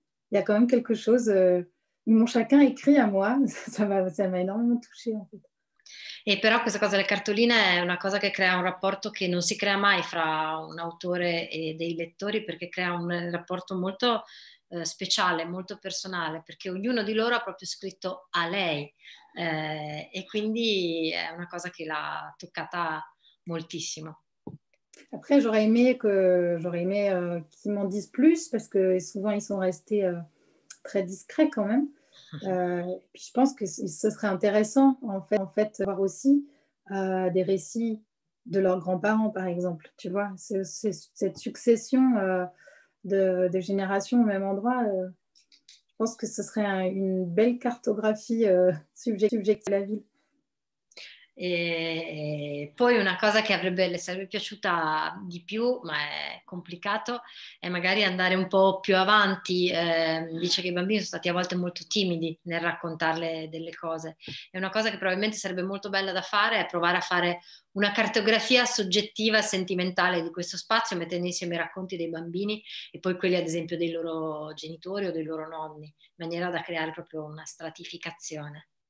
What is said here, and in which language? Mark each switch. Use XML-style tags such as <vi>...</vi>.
<fr>Il y a quand même quelque chose. Ils m'ont chacun écrit à moi. Ça m'a énormément touchée, en fait.</fr> <it>E però questa cosa delle cartoline è una cosa che crea un rapporto che non si crea mai fra un autore e dei lettori, perché crea un rapporto molto speciale, molto personale, perché ognuno di loro ha proprio scritto a lei. E quindi è una cosa che l'ha toccata moltissimo.</it> <fr>Après, j'aurais aimé qu'ils m'en disent plus parce que souvent ils sont restés très discrets quand même. Puis je pense que ce serait intéressant en fait d'avoir aussi des récits de leurs grands-parents, par exemple. Tu vois, cette succession de générations au même endroit, je pense que ce serait une belle cartographie subjective de la ville.</fr> <it>E poi una cosa che le sarebbe piaciuta di più, ma è complicato, è magari andare un po' più avanti. Dice che i bambini sono stati a volte molto timidi nel raccontarle delle cose. E una cosa che probabilmente sarebbe molto bella da fare è provare a fare una cartografia soggettiva, sentimentale di questo spazio, mettendo insieme i racconti dei bambini e poi quelli, ad esempio, dei loro genitori o dei loro nonni, in maniera da creare proprio una stratificazione.</it>